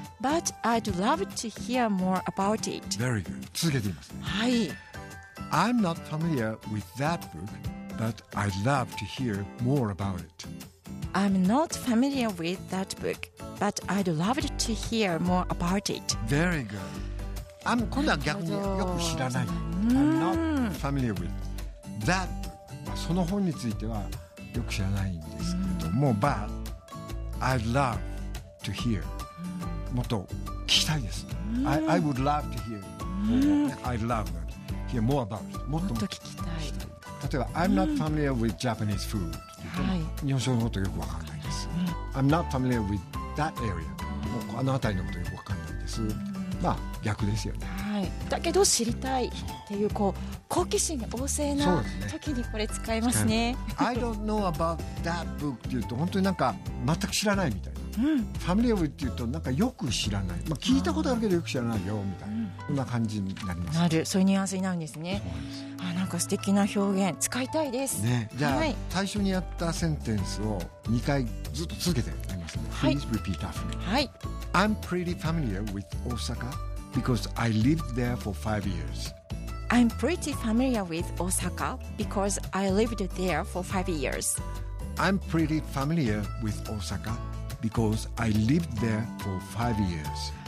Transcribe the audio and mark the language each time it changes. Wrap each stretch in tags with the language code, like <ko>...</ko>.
<en>But I'd love to hear more about it. Very good.</en> <ja>続けてみます、ね。はい。</ja> <en>I'm not familiar with that book. But I'd love to hear more about it. I'm not familiar with that book, but I'd love to hear more about it. Very good. I'm</en> <ja>今度は逆によく知らない。</ja> <en>I'm not familiar with that book.</en> <ja>その本についてはよく知らないんですけども、</ja> <en>but I'd love to hear.</en> <ja>もっと聞きたいです。</ja> <en>I would love to hear. I'd love to hear more about it.</en> <ja>もっと聞きたい。例えば、うん、</ja> <en>I'm not familiar with Japanese food、</en> <ja>はい、日本食のことよくわからないです、うん、</ja> <en>I'm not familiar with that area、</en> <ja>うん、もうあの辺りのことよくわからないです、うん、まあ逆ですよね、はい、だけど知りたいってい う, こう好奇心が旺盛な時にこれ使いますね。</ja> <en>I don't know about that book</en> <ja>っていうと本当になんか全く知らないみたいな、うん、 familiar with っていうとなんかよく知らない、まあ、聞いたことあるけどよく知らないよみたいな、うん、そんな感じになります。なる、そういうニュアンスになるんですね。そうです。なんか素敵な表現使いたいです、ね、じゃあ、はい、最初にやったセンテンスを2回ずっと続けてやりますね、はい、</ja> <en>Please repeat after me、</en> <ja>はい、</ja> <en>I'm pretty familiar with Osaka because I lived there for 5 years. I'm pretty familiar with Osaka because I lived there for 5 years. I'm pretty familiar with Osaka because I lived there for 5 years.</en>